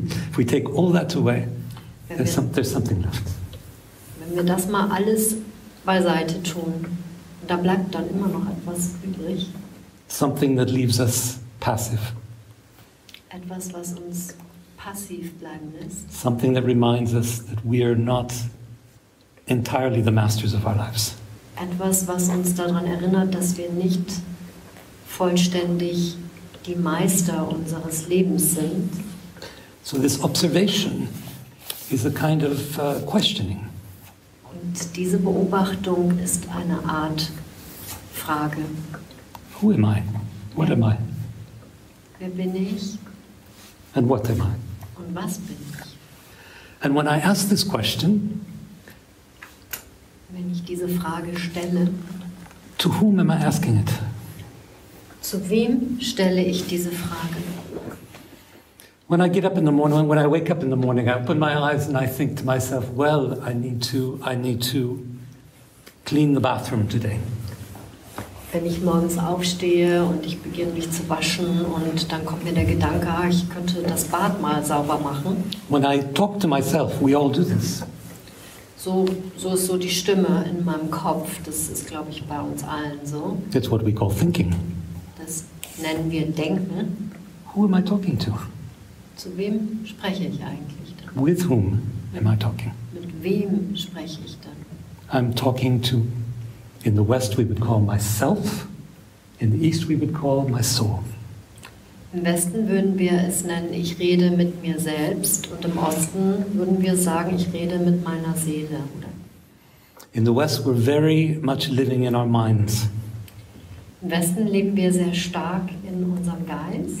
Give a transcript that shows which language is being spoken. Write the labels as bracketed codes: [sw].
[en] If we take all that away, there's something left. [de] Wenn wir das mal alles beiseite tun, da bleibt dann immer noch etwas übrig. [en] Something that leaves us passive. [de] Etwas, was uns passiv bleiben lässt. [en] Something that reminds us that we are not entirely the masters of our lives. [de] Etwas, was uns daran erinnert, dass wir nicht vollständig die Meister unseres Lebens sind. [en] So this observation is a kind of questioning. [de] Und diese Beobachtung ist eine Art Frage. [en] Who am I? What am I? [de] Wer bin ich? [en] And what am I? [de] Und was bin ich? [en] And when I ask this question, [de] wenn ich diese Frage stelle, [en] to whom am I asking it? [de] Zu wem stelle ich diese Frage? [en] When I get up in the morning, when I wake up in the morning, I open my eyes and I think to myself, well, I need to clean the bathroom today. [de] Wenn ich morgens aufstehe und ich beginne mich zu waschen und dann kommt mir der Gedanke, ich könnte das Bad mal sauber machen. [en] When I talk to myself, we all do this. [de] So ist so die Stimme in meinem Kopf. Das ist, glaube ich, bei uns allen so. [en] That's what we call thinking. [de] Das nennen wir Denken. [en] Who am I talking to? [de] Zu wem spreche ich eigentlich dann? [en] With whom am I talking? [de] Mit wem spreche ich dann? [en] I'm talking to, in the West we would call myself, in the East we would call my soul. [de] Im Westen würden wir es nennen, ich rede mit mir selbst, und im Osten würden wir sagen, ich rede mit meiner Seele. [en] In the West we're very much living in our minds. [de] Im Westen leben wir sehr stark in unserem Geist.